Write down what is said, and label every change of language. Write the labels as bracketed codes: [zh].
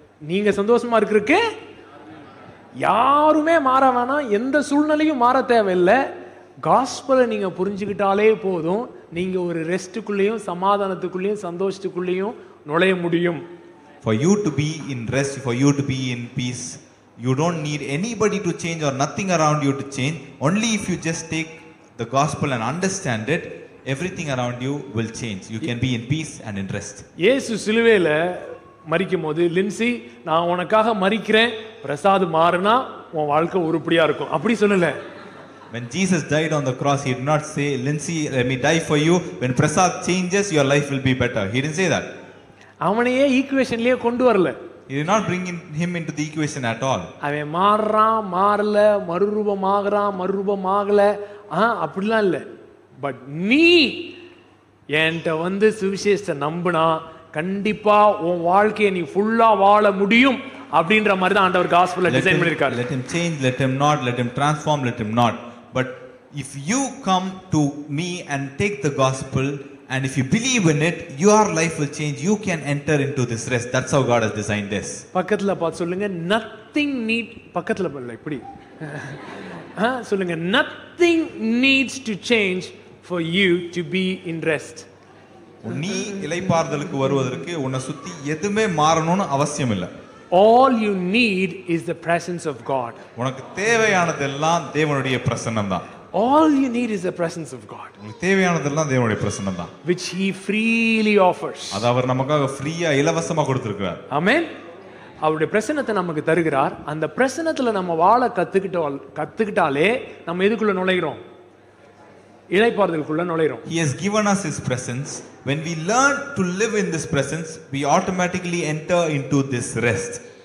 [ta] நீங்கள் சந்தோஷமாக இருக்கிறதுக்கு யாருமே மாற வேணாம், எந்த சூழ்நிலையும் மாற தேவையில்லை. காஸ்பலை நீங்கள் புரிஞ்சுக்கிட்டாலே போதும், நீங்கள் ஒரு ரெஸ்ட்டுக்குள்ளேயும் சமாதானத்துக்குள்ளேயும் சந்தோஷத்துக்குள்ளேயும் நுழைய முடியும். [en] For you to be in rest, for you to be in peace, you don't need anybody to change or nothing around you to change. Only if you just take the gospel and understand it, everything around you will change. You can be in peace and in rest. [ta] இயேசு சிலுவையில மறிக்கும் போது, லின்சி நான் உனக்காக மறிக்கிறேன், பிரசாதம் மாறினா உன் வாழ்க்கை உருப்படியா இருக்கும் அப்படி சொல்லல. [en] When Jesus died on the cross, he did not say, Lindsay, let me die for you. When Prasad changes, your life will be better. He didn't say that. [ta] அவனே ஈக்குவேஷன்லயே கொண்டு வரல. [en] He did not bring him into the equation at all. [ta] அவன் மாறறான், மாறல, மறுரூபமாகறான், மறுரூபமாகல, அப்படிலாம் இல்ல. But நீ என்கிட்ட வந்து சுவிசேஷத்தை நம்பினா கண்டிப்பா உன் வாழ்க்கையை நீ ஃபுல்லா வாழ முடியும் அப்படின்ற மாதிரி தான் ஆண்டவர் காஸ்பல்ல டிசைன் பண்ணிருக்காரு. [en] Let him change, let him not, let him transform, let him not. But if you come to me and take the gospel and if you believe in it, your life will change. You can enter into this rest. That's how God has designed this. [ta] பக்கத்துல பாத்து சொல்லுங்க, [en] nothing need, [ta] பக்கத்துல பல்ல இப்படி சொல்லுங்க, [en] nothing needs to change for you to be in rest. [ta] நீ இளைப்பாறுதலுக்கு வருவதற்கு உன்னை சுத்தி எதுவுமே மாறணும்னு அவசியம் இல்ல. [en] All you need is the presence of God. [ta] உனக்கு தேவையானதெல்லாம் தேவனுடைய பிரசன்னம் தான். [en] All you need is the presence of God. [ta] உனக்கு தேவையானதெல்லாம் தேவனுடைய பிரசன்னம் தான். [en] Which he freely offers. [ta] அது அவர் நமக்காக ஃப்ரீயா இலவசமா கொடுத்திருக்கிறார். [en] Amen. [ta] அவருடைய பிரசன்னத்தை நமக்கு தருகிறார். அந்த பிரசன்னத்துல நம்ம வாழ கத்துக்கிட்டாலே நம்ம எதுக்குள்ள நுழைகிறோம்? இளைப்பாறுதலுக்குள்ள நுழைறோம். [en] He has given us his presence. When we learn to live in this presence, we automatically enter into this rest.